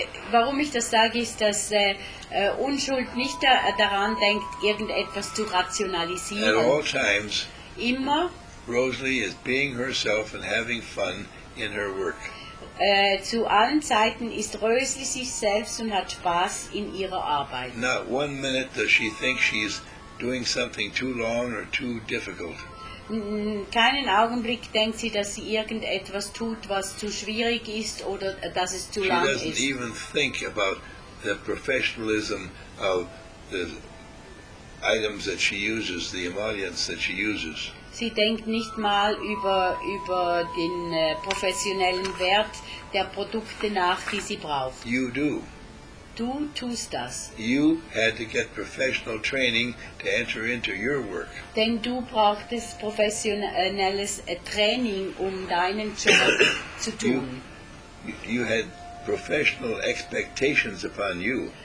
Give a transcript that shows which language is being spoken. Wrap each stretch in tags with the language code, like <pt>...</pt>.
<de>Warum ich das sage, ist, dass Unschuld nicht daran denkt, irgendetwas zu rationalisieren.</de> <en>At all times.</en> <de>Immer.</de> <en>Rosalie is being herself and having fun in her work.</en> <de>Zu allen Zeiten ist Rosalie sich selbst und hat Spaß in ihrer Arbeit.</de> <en>Not one minute does she think she's doing something too long or too difficult.</en> <de>Keinen Augenblick denkt sie, dass sie irgendetwas tut, was zu schwierig ist oder dass es zu lang ist.</de> <en>She doesn't even think about the professionalism of the items that she uses, the emollients that she uses.</en> <de>Sie denkt nicht mal über den professionellen Wert der Produkte nach, die sie braucht.</de> <en>You do.</en> <de>Du tust das.</de> <en>You had to get professional training to enter into your work.</en> <de>Denn du brauchtest professionelles Training, um deinen Job zu tun.</de> <en>You had professional expectations upon you.</en>